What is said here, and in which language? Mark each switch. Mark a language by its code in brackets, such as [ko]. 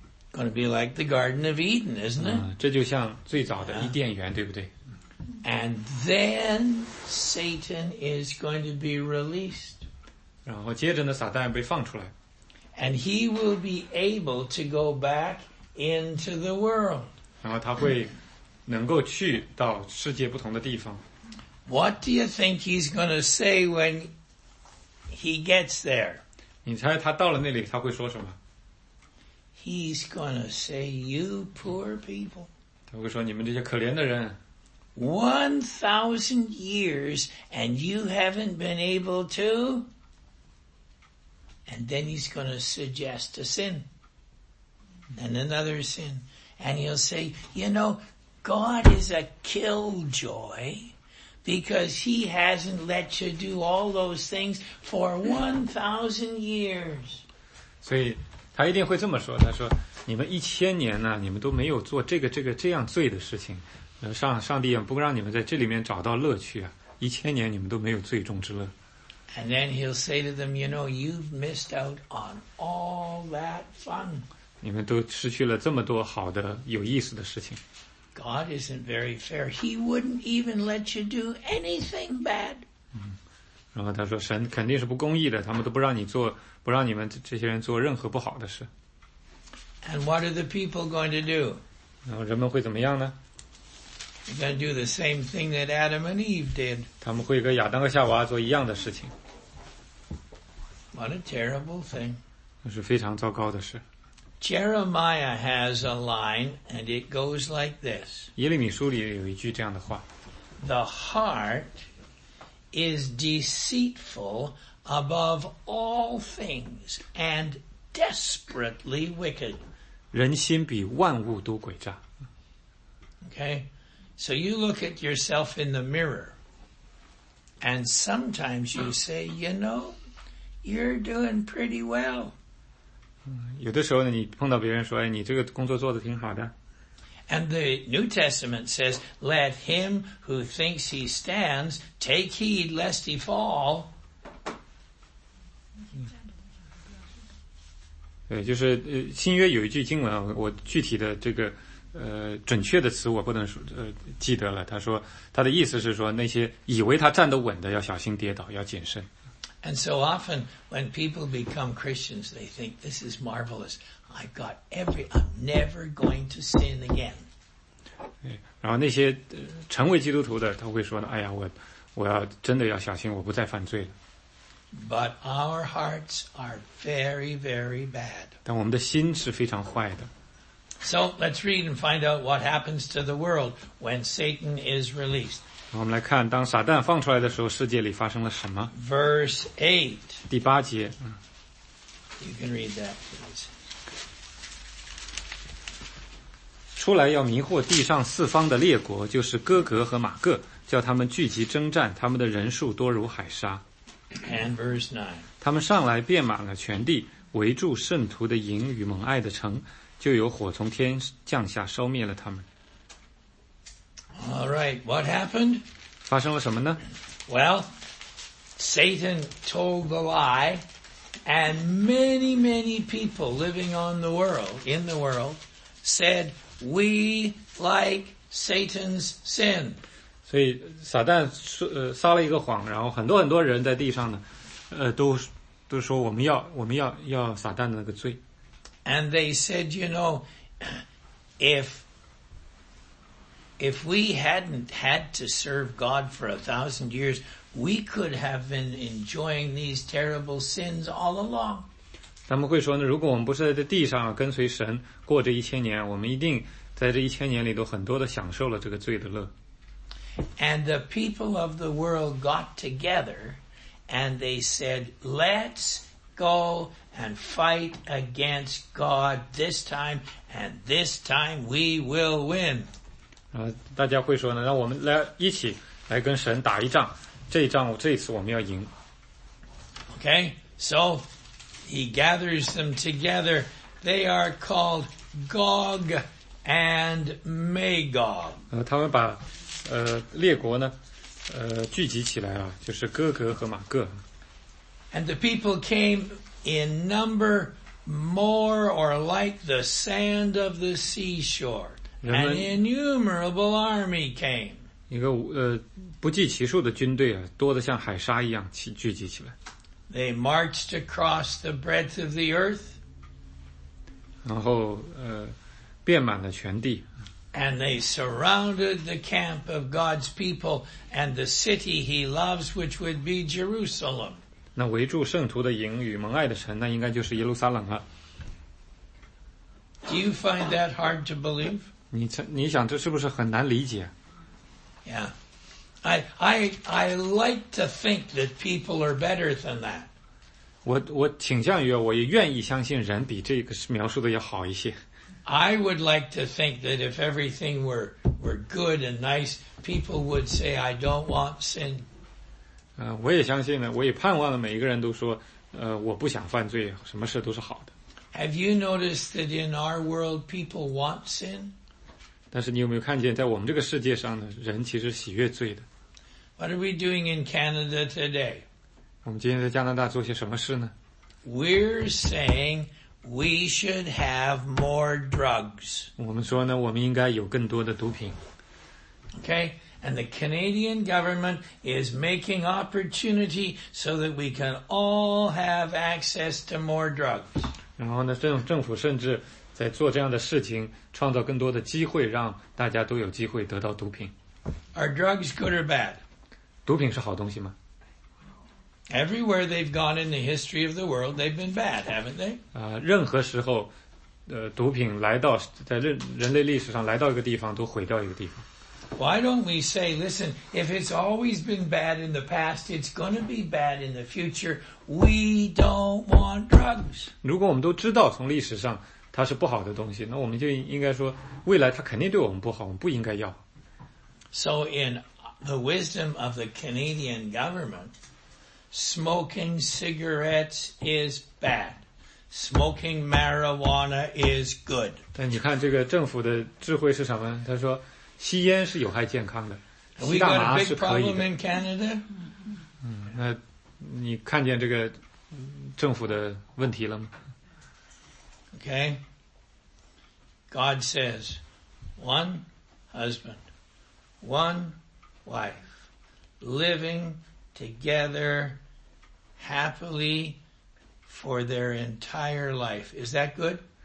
[en] Going to be like the Garden of Eden, isn't it? [zh] 这就像最早的伊甸园，对不对？ [en] And then Satan is going to be released. [zh] 然后接着呢，撒旦被放出来。 [en] And he will be able to go back into the world. [zh] 然后他会能够去到世界不同的地方。 [en] What do you think he's going to say when he gets there? [zh] 你猜他到了那里，他会说什么？ [en] He's gonna say, you poor people. [zh] 他会说你们这些可怜的人。 [en] 1,000 years and you haven't been able to? And then he's gonna suggest a sin. And another sin. and he'll say, you know, God is a killjoy because he hasn't let you do all those things for 1,000 years. [zh] 所以他一定会这么说，他说你们一千年呢，你们都没有做这个这样罪的事情，上帝也不让你们在这里面找到乐趣啊，一千年你们都没有罪中之乐。 [en] And then he'll say to them, you know, you've missed out on all that fun. [zh] 你们都失去了这么多好的有意思的事情。 [en] God isn't very fair. He wouldn't even let you do anything bad. [zh] 然后他说神肯定是不公义的，他们都不让你们这些人做任何不好的事。 [en] And what are the people going to do? [zh] 然后人们会怎么样呢？ [en] They're going to do the same thing that Adam and Eve did. [zh] 他们会跟亚当和夏娃做一样的事情。 [en] What a terrible thing. [zh] 那是非常糟糕的事。 [en] Jeremiah has a line, and it goes like this. [zh] 耶利米书里有一句这样的话。 [en] The heart is deceitful above all things and desperately wicked. [zh] 人心比万物都诡诈。 [en] Okay. So you look at yourself in the mirror, and sometimes you say, you know, you're doing pretty well. [zh] 有的时候呢，你碰到别人说，哎，你这个工作做得挺好的。 [en] And the New Testament says, let him who thinks he stands take heed lest he fall. [zh] 对，就是新约有一句经文，我具体的这个准确的词我不能说记得了，他说他的意思是说那些以为他站得稳的要小心跌倒，要谨慎。 [en] And so often when people become Christians, they think this is marvelous. I've got every, I'm never going to sin again. [zh] 然后那些成为基督徒的他会说呢，哎呀，我要真的要小心，我不再犯罪了。 [en] But our hearts are very, very bad. [zh] 但我们的心是非常坏的。 [en] So let's read and find out what happens to the world when Satan is released. [zh] 我们来看当撒旦放出来的时候世界里发生了什么。 [en] Verse 8. [zh] 第八节。 [en] You can read that, please. [zh] 出来要迷惑地上四方的列国，就是哥格和马各，叫他们聚集征战，他们的人数多如海沙。 [en] And verse 9. [zh] 他们上来遍满了全地，围住圣徒的营与蒙爱的城。就有火从天降下烧灭了他们。 [en] All right, what happened? [zh] 发生了什么呢？ [en] Well, Satan told the lie, and many, many people living on the world, in the world, said, we like Satan's sin. [zh] 所以撒旦撒了一个谎，然后很多很多人在地上呢都说我们要撒旦的那个罪。 [en] And they said, you know, if we hadn't had to serve God for 1,000 years, we could have been enjoying these terrible sins all along. [zh] 他们会说呢，如果我们不是在这地上跟随神过这一千年，我们一定在这一千年里都很多的享受了这个罪的乐。 [en] And the people of the world got together and they said, let's go and fight against God this time, and this time we will win. [zh] 大家会说呢，让我们来一起来跟神打一仗，这一仗这一次我们要赢。 [en] Okay, so he gathers them together. They are called Gog and Magog. [zh] 他们把列国呢聚集起来啊，就是哥格和马各。 [en] And the people came in number more or like the sand of the seashore, an innumerable army came. [zh] 一个不计其数的军队啊，多得像海沙一样聚集起来。 [en] They marched across the breadth of the earth. [zh] 然后遍满了全地。 [en] And they surrounded the camp of God's people and the city he loves, which would be Jerusalem. [zh] 那围住圣徒的营与蒙爱的城，那应该就是耶路撒冷了。 [en] Do you find that hard to believe? [zh] 你想这是不是很难理解？ [en] Yeah, I like to think that people are better than that. [zh] 我倾向于，我也愿意相信人比这个描述的要好一些。 [en] I would like to think that if everything were good and nice, people would say, I don't want sin. [zh] 我也相信呢，我也盼望了每一个人都说，我不想犯罪，什么事都是好的。 [en] Have you noticed that in our world people want sin? [zh] 但是你有没有看见，在我们这个世界上呢，人其实喜悦罪的。 [en] What are we doing in Canada today? [zh] 我们今天在加拿大做些什么事呢？ [en] We're saying we should have more drugs. [zh] 我们说呢，我们应该有更多的毒品。 [en] Okay, and the Canadian government is making opportunity so that we can all have access to more drugs. [zh] 然后呢，政府甚至在做这样的事情，创造更多的机会，让大家都有机会得到毒品。 [en] Are drugs good or bad? [zh] 毒品是好东西吗？ [en] Everywhere they've gone in the history of the world, they've been bad, haven't they? [zh] 任何时候，毒品来到在人类历史上来到一个地方，都毁掉一个地方。 [en] Why don't we say, listen, if it's always been bad in the past, it's going to be bad in the future. We don't want drugs. [zh] 如果我们都知道从历史上它是不好的东西，那我们就应该说未来它肯定对我们不好，我们不应该要。 [en] So in the wisdom of the Canadian government, smoking cigarettes is bad. Smoking marijuana is good. [zh] 但你看这个政府的智慧是什么？他说吸烟是有害健康的，吸大麻是可以的。那你看见这个政府的问题了吗 [en] ？Okay, God says, one husband, one wife, living together happily for their entire life. Is that good?